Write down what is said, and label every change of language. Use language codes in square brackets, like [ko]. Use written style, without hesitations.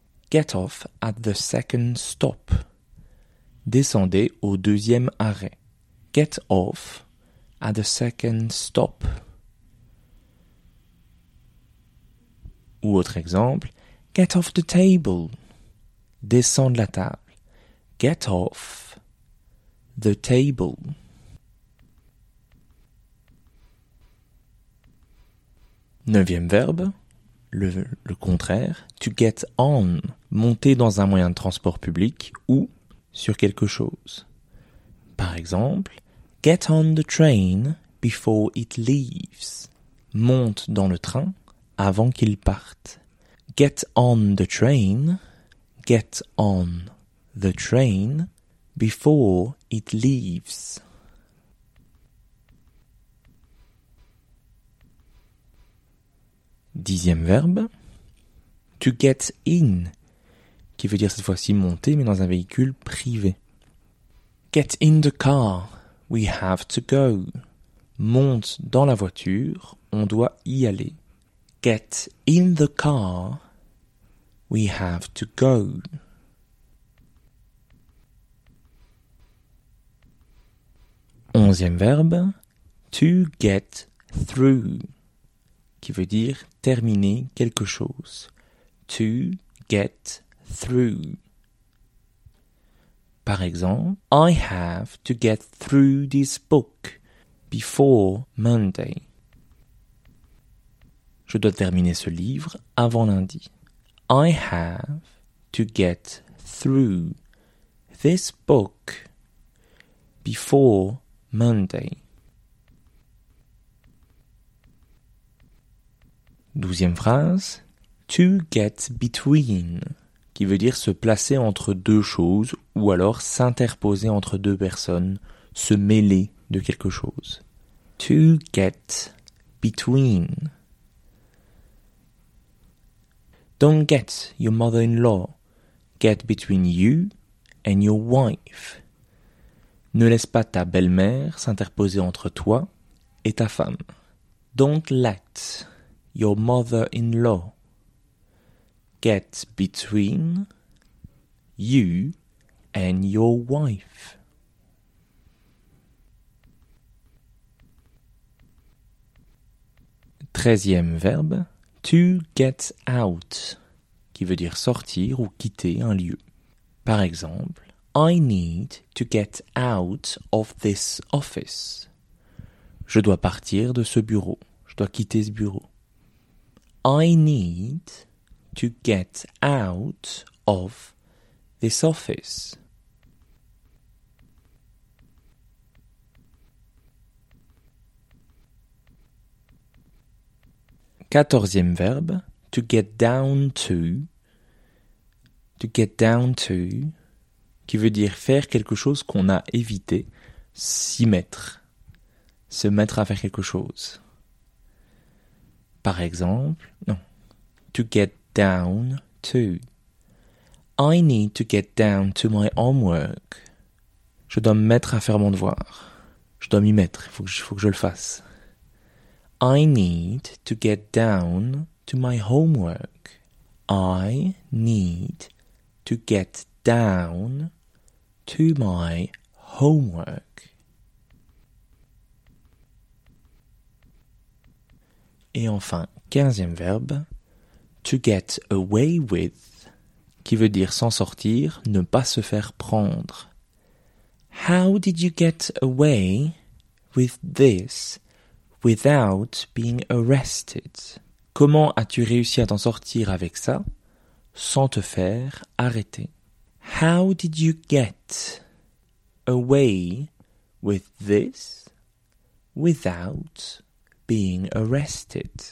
[en] Get off at the second stop. [fr] Descendez au deuxième arrêt. [en] Get off at the second stop. [fr] Ou autre exemple, [en] get off the table. [fr] Descends de la table. [en] Get off the table. [fr] Neuvième verbe, le contraire, [en] to get on, [fr] monter dans un moyen de transport public ou sur quelque chose. Par exemple, [en] get on the train before it leaves. [fr] Monte dans le train avant qu'il parte. [en] Get on the train, get on the train before it leaves. [fr] Dixième verbe, [en] to get in, [fr] qui veut dire cette fois-ci monter, mais dans un véhicule privé. [en] Get in the car, we have to go. [fr] Monte dans la voiture, on doit y aller. [en] Get in the car, we have to go. [fr] Onzième verbe, [en] to get through, [fr] qui veut dire terminer quelque chose. [en] To get through. [fr] Par exemple, [en] I have to get through this book before Monday. [fr] Je dois terminer ce livre avant lundi. [en] I have to get through this book before Monday. [fr] Douzième phrase, [en] to get between, [fr] qui veut dire se placer entre deux choses ou alors s'interposer entre deux personnes, se mêler de quelque chose. [en] To get between. Don't get your mother-in-law. Get between you and your wife. [fr] Ne laisse pas ta belle-mère s'interposer entre toi et ta femme. [en] Don't let your mother-in-law get between you and your wife. [fr] Treizième verbe, [en] to get out, [fr] qui veut dire sortir ou quitter un lieu. Par exemple, [en] I need to get out of this office. [fr] Je dois partir de ce bureau. Je dois quitter ce bureau. [en] I need to get out of this office. [fr] Quatorzième verbe, [en] to get down to. To get down to, [fr] qui veut dire faire quelque chose qu'on a évité, s'y mettre, se mettre à faire quelque chose. Par exemple, non, [en] to get down to. I need to get down to my homework. [fr] Je dois me mettre à faire mon devoir. Je dois m'y mettre, il faut que je le fasse. [en] I need to get down to my homework. I need to get down to my homework. [fr] Et enfin, quinzième verbe, [en] to get away with, [fr] qui veut dire s'en sortir, ne pas se faire prendre. [en] How did you get away with this without being arrested? [fr] Comment as-tu réussi à t'en sortir avec ça sans te faire arrêter? [en] How did you get away with this without being arrested?